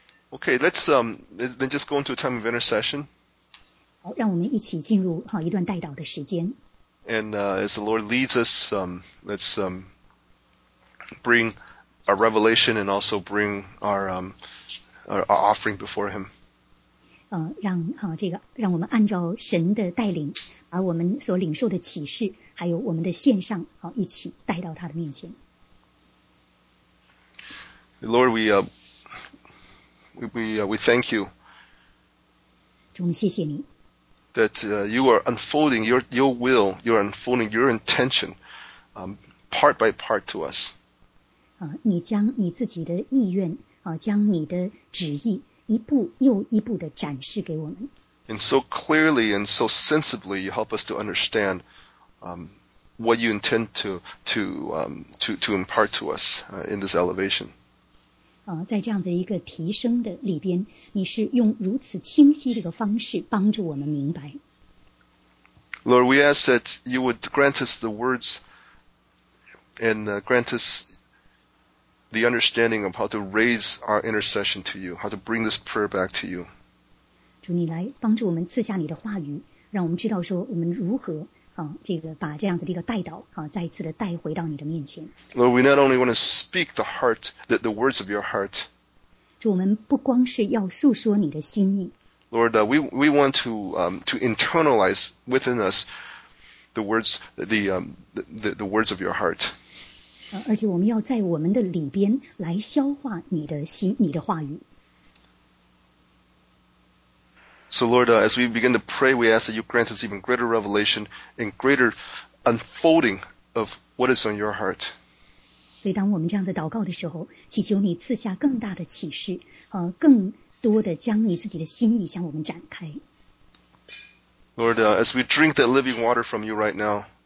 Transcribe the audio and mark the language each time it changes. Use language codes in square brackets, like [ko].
[en] Okay, let's then just go into a time of intercession. [zh] 好，让我们一起进入哈、啊、一段代祷的时间。 [en] And as the Lord leads us, let's bring our revelation and also bring our offering before Him. [zh] 让哈、啊、这个让我们按照神的带领，把我们所领受的启示，还有我们的献上，好、啊、一起带到他的面前。 [en] Lord, we thank you. [zh] 主，我们谢谢你。 [en] That you are unfolding your will, you are unfolding your intention, part by part to us. [zh] 你将你自己的意愿啊，将你的旨意一步又一步的展示给我们。 [en] And so clearly and so sensibly, you help us to understand what you intend to impart to us in this elevation. [zh] 在这样的一个提升的里边，你是用如此清晰的一个方式帮助我们明白。 [en] Lord, we ask that you would grant us the words and grant us the understanding of how to raise our intercession to you, how to bring this prayer back to you. [zh] 主，你来帮助我们赐下你的话语，让我们知道说我们如何啊，这个把这样子的一个带到啊，再一次的带回到你的面前。 [en] Lord, we not only want to speak the heart, the words of your heart. [zh] 主，我们不光是要诉说你的心意。 [en] Lord, we want to internalize within us the words of your heart. [zh] 而且我们要在我们的里边来消化你的心，你的话语。 [en] So Lord, as we begin to pray, we ask that you grant us even greater revelation and greater unfolding of what is on your heart. [zh] 所以当我们这样子祷告的时候，祈求你赐下更大的启示，更多的将你自己的心意向我们展开。 [en] Lord, as we drink that living water from you right now,